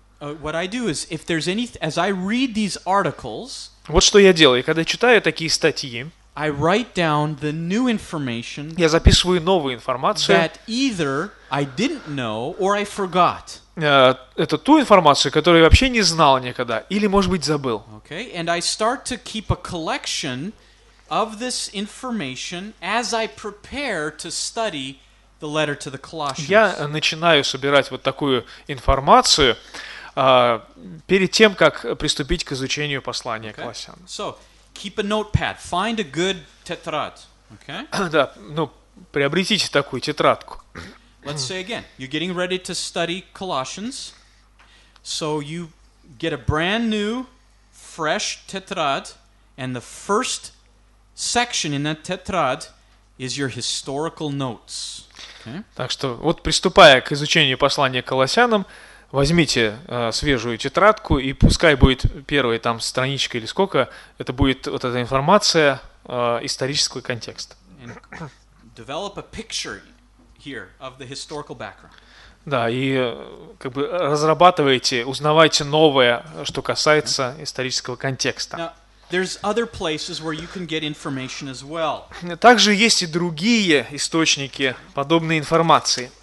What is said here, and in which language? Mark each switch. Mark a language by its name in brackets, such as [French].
[English] What I do is, if there's any, as I read these articles, [Russian] вот что я делаю, когда читаю такие статьи, [English] I write down the new information. [Russian] Я записываю новую информацию. [English] That either I didn't know or I forgot. [Russian] Это ту информацию, которую я вообще не знал никогда, или, может быть, забыл. [English] Okay, and I start to keep a collection of this information as I prepare to study the letter to the Colossians. [Russian] Я начинаю собирать вот такую информацию перед тем, как приступить к изучению послания к Колоссянам. [English] Okay. So, keep a notepad. Find a good tetrad. Okay? [Russian] Да, приобретите такую тетрадку. [English] Let's say again, you're getting ready to study Colossians, so you get a brand new, fresh tetrad, and the first section in that tetrad is your historical notes. Okay? [Russian] Так что, вот приступая к изучению послания к Колоссянам, возьмите свежую тетрадку, и пускай будет первая там страничка или сколько, это будет вот эта информация, исторический контекст. [English] And develop a picture here of the historical background. [Russian] Да, и как бы разрабатываете, узнавайте новое, что касается исторического контекста. [English] Now, there's other places where you can get information as well. [Russian] Также есть и другие источники подобной информации.